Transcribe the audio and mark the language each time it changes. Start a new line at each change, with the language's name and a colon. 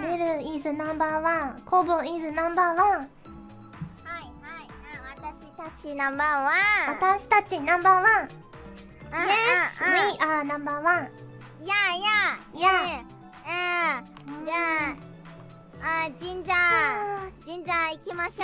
English: メル is ナンバーワン、コボ is ナンバーワン。
Japanese: はいはい、私たちナンバーワン、私たちナンバーワン。
English: Yes、 We are ナンバーワン。 Yeah yeah yeah。
Japanese: うん、あ、神社、神社行きましょう。